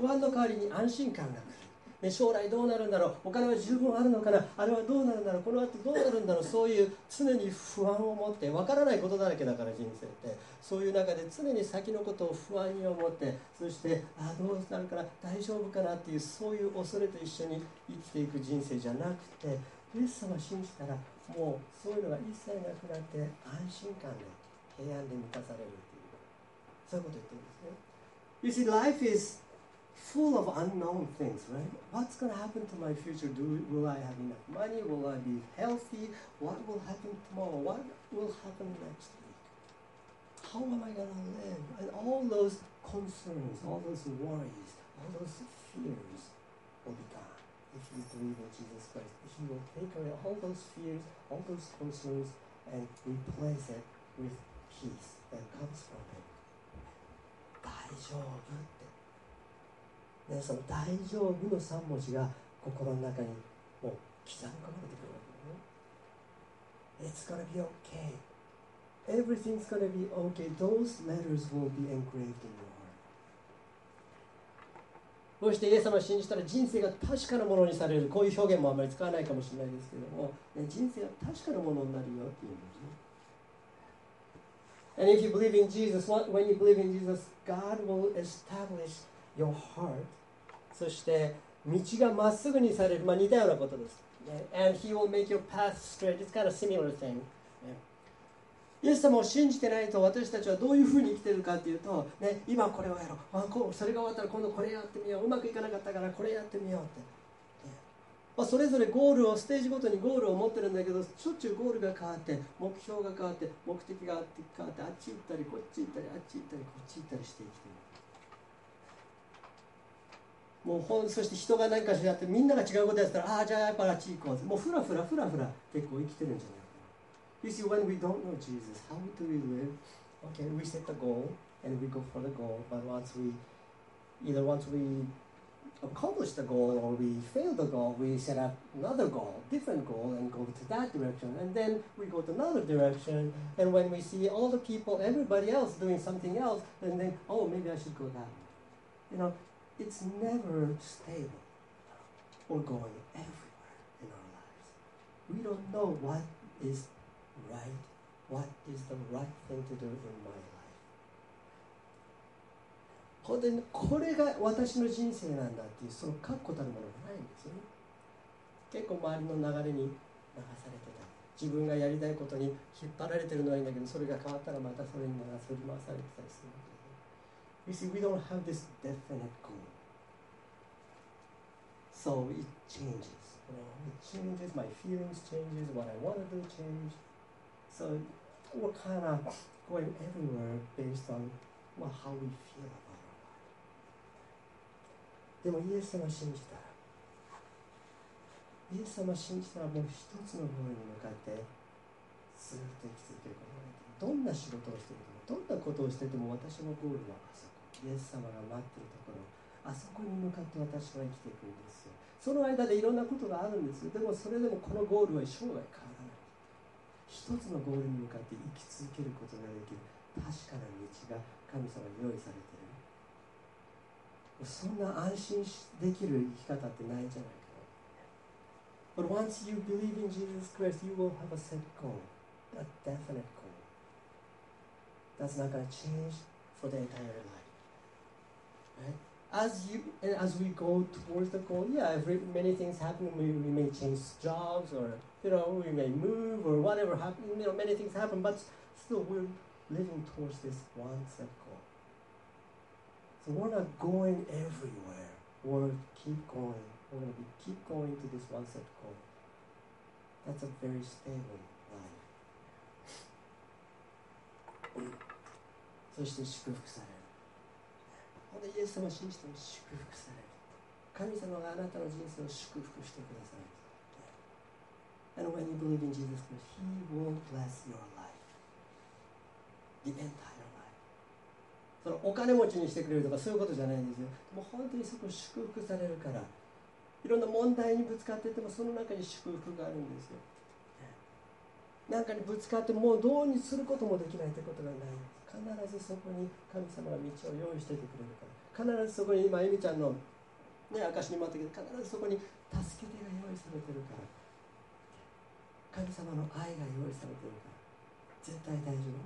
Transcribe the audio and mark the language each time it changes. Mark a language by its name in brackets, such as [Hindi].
[Japanese] 不安の代わりに安心感が来る、ね、将来どうなるんだろう、お金は十分あるのかな、あれはどうなるんだろう、この後どうなるんだろう、そういう常に不安を持って、分からないことだらけだから人生って、そういう中で常に先のことを不安に思って、そしてあどうなるかな、大丈夫かなっていう、そういう恐れと一緒に生きていく人生じゃなくて、イエス様を信じたらもうそういうのが一切なくなって、安心感で平安で満たされる、そういうこと言ってるんですね。 [English] You see, life is full of unknown things, right? What's going to happen to my future? Will I have enough money? Will I be healthy? What will happen tomorrow? What will happen next week? How am I going to live? And all those concerns, all those worries, all those fears will be gone. If you believe in Jesus Christ, He will take away all those fears, all those concerns, and replace it with peace that comes from Him. [Japanese] 大丈夫って、ね、その大丈夫の3文字が心の中にもう刻み込まれてくるわけだね。 [English] It's gonna be okay. Everything's gonna be okay. Those letters will be engraved in your heart. [Japanese] そしてイエス様を信じたら人生が確かなものにされる。こういう表現もあまり使わないかもしれないですけども、ね、人生は確かなものになるよっていう文字。 [English] And if you believe in Jesus, when you believe in Jesus, God will establish your heart. [Japanese] そして道がまっすぐにされる。まあ似たようなことです。 [English] And He will make your path straight. It's kind of similar thing. [Japanese] イエス様を信じてないと私たちはどういうふうに生きてるかっていうと、ね、今これをやろう。あ、こう、それが終わったら今度これやってみよう。うまくいかなかったからこれやってみようって。まあ、それぞれゴールをステージごとにゴールを持ってるんだけど、しょっちゅうゴールが変わって目標が変わって目的が変わって変わってあっち行ったりこっち行ったりあっち行ったりこっち行ったりして生きてる。もう本、そして人が何かしらやってみんなが違うことやったら、ああじゃあやっぱあっち行こうって、もうフラフラフラフラ結構生きてるんじゃないかな。 [English] You see, when we don't know Jesus, how do we live? Okay, we set the goal and we go for the goal, but once we either once weAccomplish the goal or we fail the goal, we set up another goal, different goal, and go to that direction. And then we go to another direction. And when we see all the people, everybody else doing something else, and then, oh, maybe I should go that way. You know, it's never stable or going everywhere in our lives. We don't know what is right, what is the right thing to do in my life. [Japanese] 本当にこれが私の人生なんだっていう、その確固たるものがないんですよね。結構周りの流れに流されてた、自分がやりたいことに引っ張られてるのはいいんだけど、それが変わったらまたそれに流され回されてたりするんですよ。 [English] You see, we don't have this definite goal. So it changes. You know, it changes, my feelings changes, what I want to do changes. So we're kind of going everywhere based on まあ、how we feel about our God. [Japanese] でもイエス様を信じたら、イエス様を信じたらもう一つのゴールに向かってずっと生き続けることができる。どんな仕事をしていても、どんなことをしていても、私のゴールはあそこ、イエス様が待っているところ、あそこに向かって私は生きていくんですよ。その間でいろんなことがあるんですよ。でもそれでもこのゴールは生涯変わらない。一つのゴールに向かって生き続けることができる確かな道が神様に用意されている。そんな安心できる生き方ってないじゃないかな。 [English] But once you believe in Jesus Christ, you will have a set goal, a definite goal that's not going to change for the entire life, right? As we go towards the goal, yeah, many things happen. We may change jobs, or you know, we may move, or whatever happens. You know, many things happen, but still, we're living towards this one set goal. So we're not going everywhere. We're keep going. We're gonna be keep going to this one set goal. That's a very stable life. [Japanese] そして祝福される。本当にイエス様を信じても祝福される。神様があなたの人生を祝福してくださる。 [English] And when you believe in Jesus Christ, He will bless your life, the entire life. [Japanese] そのお金持ちにしてくれるとかそういうことじゃないんですよ。でも本当にそこ祝福されるから、いろんな問題にぶつかっていてもその中に祝福があるんですよ。何かにぶつかってもうどうにすることもできないってことがない。必ずそこに神様が道を用意しててくれるから、必ずそこに、今エミちゃんのね証にもあったけど、必ずそこに助け手が用意されてるから、神様の愛が用意されてるから絶対大丈夫。